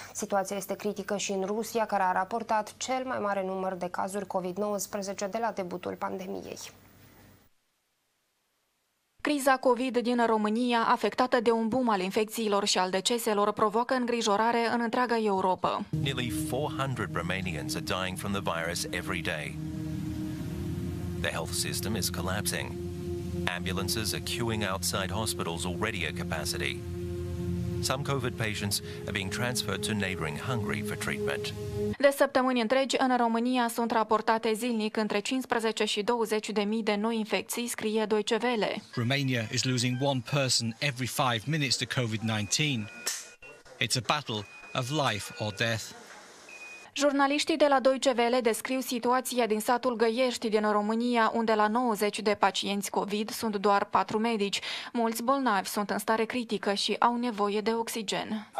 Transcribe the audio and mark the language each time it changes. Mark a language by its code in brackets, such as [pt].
[ro] Situația este critică și în Rusia, care a raportat cel mai mare număr de cazuri COVID-19 de la debutul pandemiei. Criza COVID din România, afectată de un boom al infecțiilor și al deceselor, provoacă îngrijorare în întreaga Europa. [en] Nearly 400 Romanians are dying from the virus every day. The health system is collapsing. Ambulances are queuing outside hospitals already at capacity. Some COVID patients are being transferred to neighboring Hungary for treatment. [ro] De săptămâni întregi, în România sunt raportate zilnic între 15 și 20 de mii de noi infecții, scrie Deutsche Welle. [en] Romania is losing one person every 5 minutes to COVID-19. It's a battle of life or death. [ro] Jurnaliștii de la Deutsche Welle descriu situația din satul Găiești din România, unde la 90 de pacienți COVID sunt doar 4 medici. Mulți bolnavi sunt în stare critică și au nevoie de oxigen.